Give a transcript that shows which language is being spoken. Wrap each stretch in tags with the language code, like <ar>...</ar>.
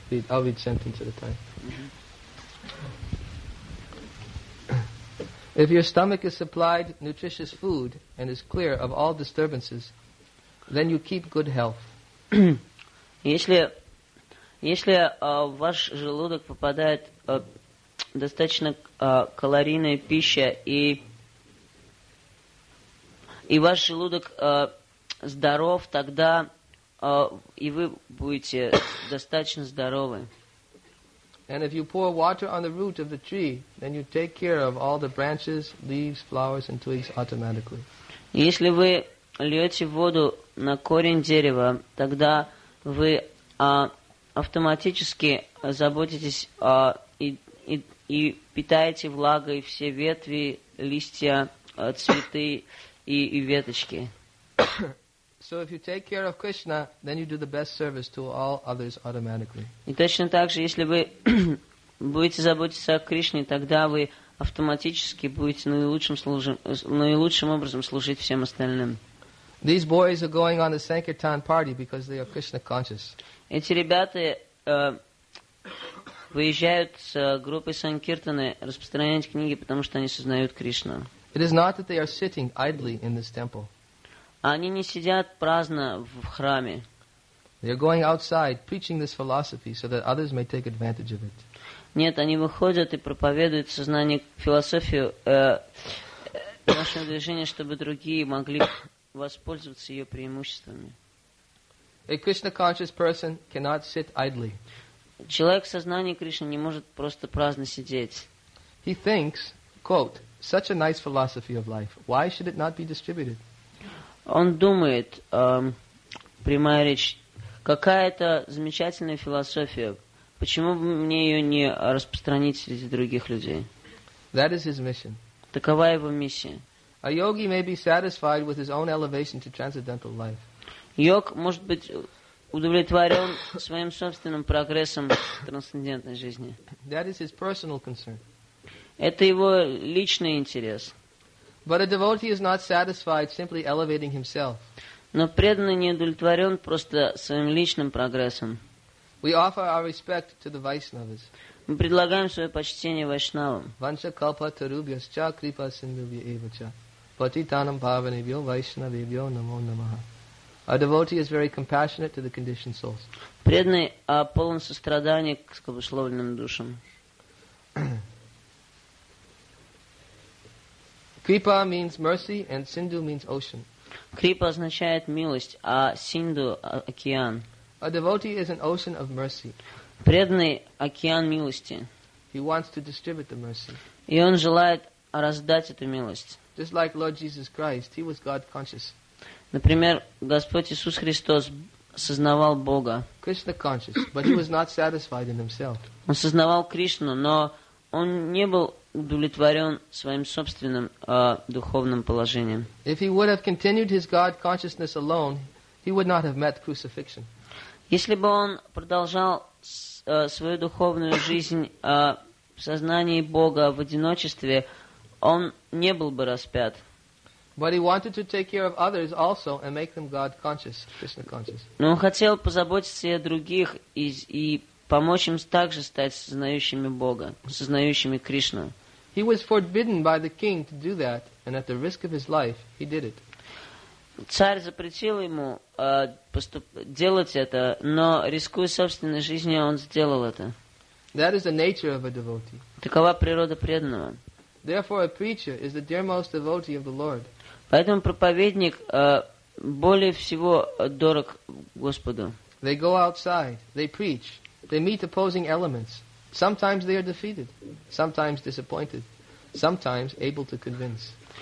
<en>I'll read sentence at a time. If your stomach is supplied nutritious food and is clear of all disturbances, then you keep good health.</en> <ru>Если в ваш желудок попадает достаточно калорийная пища и ваш желудок здоров, тогда и вы будете достаточно здоровы.</ru> <en>And if you pour water on the root of the tree, then you take care of all the branches, leaves, flowers, and twigs automatically.</en> <ru>Если вы льете воду на корень дерева, тогда вы автоматически заботитесь и питаете влагой все ветви, листья цветы и веточки.</ru> <en>So if you take care of Krishna, then you do the best service to all others automatically.</en> <ru>И точно так же, если вы будете заботиться о Кришне, тогда вы автоматически будете наилучшим образом служить всем остальным.</ru> <en>These boys are going on the Sankirtan party because they are Krishna conscious.</en> <ru>Эти ребята выезжают с группой Санкиртаны распространять книги, потому что они сознают Кришну.</ru> <en>It is not that they are sitting idly in this temple.</en> <ru>Они не сидят праздно в храме.</ru> <en>They are going outside preaching this philosophy so that others may take advantage of it.</en> <ru>Нет, они выходят и проповедуют сознание, философию нашего движения, чтобы другие могли воспользоваться ее преимуществами.</ru> <en>A Krishna conscious person cannot sit idly.</en> <ru>Человек в сознании Кришны не может просто праздно сидеть.</ru> <en>He thinks, quote, such a nice philosophy of life. Why should it not be distributed?</en> <ru>Он думает, прямая речь, какая-то замечательная философия. Почему бы мне ее не распространить среди других людей?</ru> <en>That is his mission.</en> <ru>Такова его миссия.</ru> <en>A yogi may be satisfied with his own elevation to transcendental life.</en> <ru>Йог может быть удовлетворен своим собственным прогрессом в трансцендентной жизни.</ru> <en>That is his personal concern.</en> <ru>Это его личный интерес.</ru> <en>But a devotee is not satisfied simply elevating himself.</en> <ru>Но преданный не удовлетворен просто своим личным прогрессом.</ru> <en>We offer our respect to the Vaishnavas.</en> <ru>Мы предлагаем свое почтение вайшнавам.</ru> <sa>Ванча калпа тарубьясча крипа синдубья эвача. Патитанам павенебьо вайшнавебьо намо намаха.</sa> <en>A devotee is very compassionate to the conditioned souls.</en> <ru>Преданный полон сострадания к скобословленным душам.</ru> <en>Kripa means mercy and sindhu means ocean.</en> <ru>Kripa означает милость, а синду океан.</ru> <en>A devotee is an ocean of mercy.</en> <ru>Преданный океан милости.</ru> <en>He wants to distribute the mercy.</en> <ru>И он желает раздать эту милость.</ru> <en>Just like Lord Jesus Christ, he was God conscious.</en> <ru>Например, Господь Иисус Христос сознавал Бога.</ru> <en>Krishna conscious, but he was not satisfied in himself.</en> <ru>Он сознавал Кришну, но он не был удовлетворен своим собственным духовным положением.</ru> <en>If he would have continued his God consciousness alone, he would not have met crucifixion.</en> <ru>Если бы он продолжал свою духовную жизнь в сознании Бога в одиночестве, он не был бы распят.</ru> <en>But he wanted to take care of others also and make them God conscious, Krishna conscious.</en> <ru>Но он хотел позаботиться о других и помочь им также стать сознающими Бога, сознающими Кришну.</ru> <en>He was forbidden by the king to do that, and at the risk of his life, he did it.</en> <ru>Царь запретил ему делать это, но рискуя собственной жизнью, он сделал это.</ru> <en>That is the nature of a devotee.</en> <ru>Такова природа преданного.</ru> <en>Therefore, a preacher is the dearmost devotee of the Lord.</en> <ru>Поэтому проповедник более всего дорог Господу.</ru> <en>They go outside, they preach, they meet opposing elements. Sometimes they are defeated, sometimes disappointed, sometimes able to convince.</en>